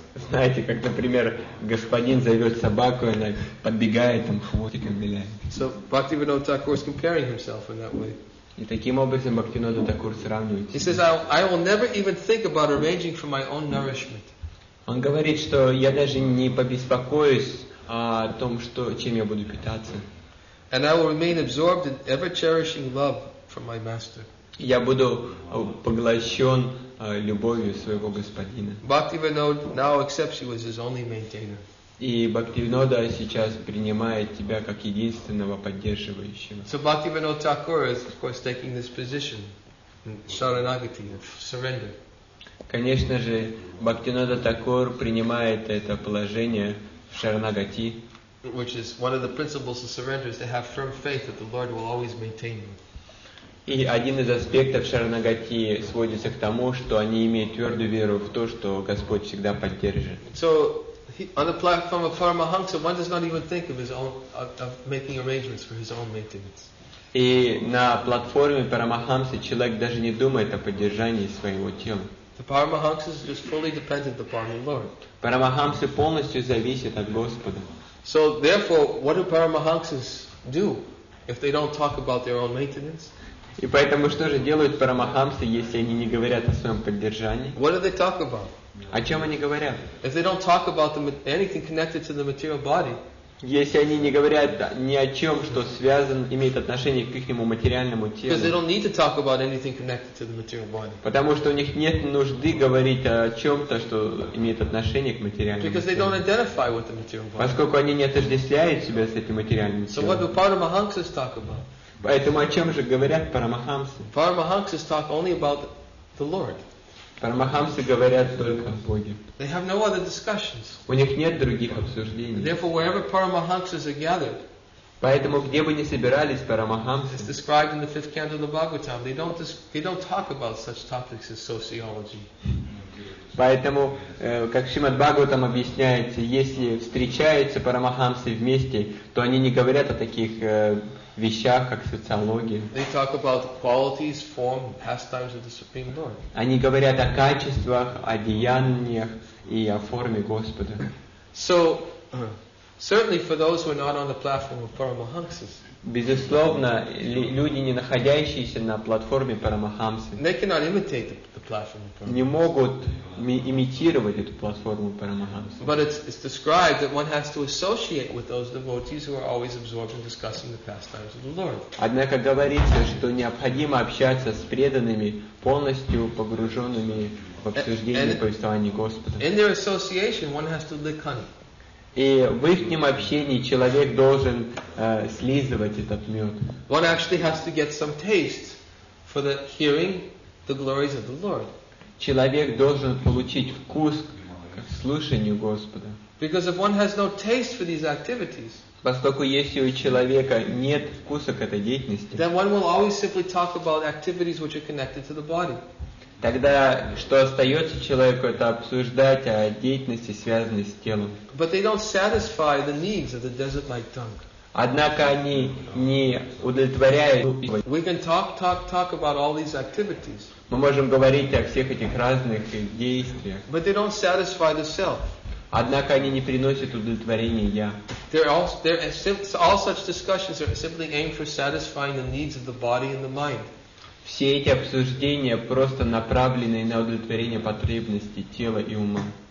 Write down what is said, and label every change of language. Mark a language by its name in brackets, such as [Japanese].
[Russian] Знаете, как, например, господин зовет собаку, и она подбегает, там хвостиком виляет. [English] So Bhaktivinoda Thakur is comparing himself in that way. [Russian] И таким образом Бхактивинода Такур сравнивает. [English] He says, I will never even think about arranging for my own nourishment. [Russian] Он говорит, что я даже не побеспокоюсь о том, что чем я буду питаться. [English] And I will remain absorbed in ever cherishing love for my master. [Russian] Я буду поглощен любовью своего господина. [English] Bhaktivinoda now accepts you as his only maintainer. [Russian] И Бхактивинода сейчас принимает тебя как единственного поддерживающего. [English] So Bhaktivinoda Thakur is of course taking this position in Sharanagati of surrender. [Russian] Конечно же, Бхактивинода Такур принимает это положение в Шаранагати. [English] Which is one of the principles of surrender is to have firm faith that the Lord will always maintain you. [Russian] И один из аспектов Шаранагати сводится к тому, что они имеют твердую веру в то, что Господь всегда поддержит. [English] So, on the platform of Paramahamsa, one does not even think of his own of making arrangements for his own maintenance. [Russian] И на платформе Парамахамсы человек даже не думает о поддержании своего тела. [English] The Paramahamsa is just fully dependent upon the Lord. [Russian] Парамахамсы полностью зависит от Господа. [English] So, therefore, what do Paramahamsas do if they don't talk about their own maintenance? [Russian] И поэтому что же делают парамахамсы, если они не говорят о своем поддержании? [English] What do they talk about? [Russian] О чем они говорят? [English] If they don't talk about anything connected to the material body. [Russian] Если они не говорят ни о чем, что связан, имеет отношение к ихнему материальному телу. [English] Because they don't need to talk about anything connected to the material body. [Russian] Потому что у них нет нужды говорить о чем-то, что имеет отношение к материальному телу. [English] Because they don't identify with the material body. [Russian] Поскольку они не отождествляют себя с этим материальным телом. [English] So what do Paramahamsas talk about? [Russian] Поэтому о чем же говорят парамахамсы? [English] Paramahamsas talk only about the Lord. [Russian] Парамахамсы говорят только о Боге. [English] They have no other discussions. [Russian] У них нет других обсуждений. [English] Therefore, wherever Paramahamsas are gathered, [Russian] поэтому где бы ни собирались парамахамсы, [English] it's described in the fifth canto of the Bhagavatam. They don't talk about such topics as sociology. [Russian] Поэтому, как Шримад Бхагаватам объясняется, если встречаются парамахамсы вместе, то они не говорят о таких вещах, как социология. [English] They talk about qualities, form, pastimes of the Supreme Lord. [Russian] Они говорят о качествах, о деяниях и о форме Господа. [English] So, certainly for those who are not on the platform of Paramahamsas. [Russian] Безусловно, люди, не находящиеся на платформе Парамахамсы, [English] they cannot imitate the platform of Paramahamsas. [Russian] Не могут имитировать эту платформу Парамахамсы. [English] But it's described that one has to associate with those devotees who are always absorbed in discussing the pastimes of the Lord. [Russian] Однако говорится, что необходимо общаться с преданными, полностью погруженными в обсуждение повествования Господа. [English] In their association, one has to lick honey. [Russian] И в их общении человек должен слизывать этот мед. [English] One actually has to get some taste for the hearing the glories of the Lord. [Russian] Человек должен получить вкус к слушанию Господа. [English] Because if one has no taste for these activities, [Russian] поскольку если у человека нет вкуса к этой деятельности, [English] then one will always simply talk about activities which are connected to the body. [Russian] Тогда что остается человеку, это обсуждать о деятельности, связанной с телом. [English] But they don't satisfy the needs of the desert-like tongue. [Russian] Однако они не удовлетворяют. [English] We can talk about all these activities. [Russian] Мы можем говорить о всех этих разных действиях. [English] But they don't satisfy the self. [Russian] Однако они не приносят удовлетворения я. [English] All such discussions are simply aimed for satisfying the needs of the body and the mind. [Russian] Все эти обсуждения просто направлены на удовлетворение потребностей тела и ума.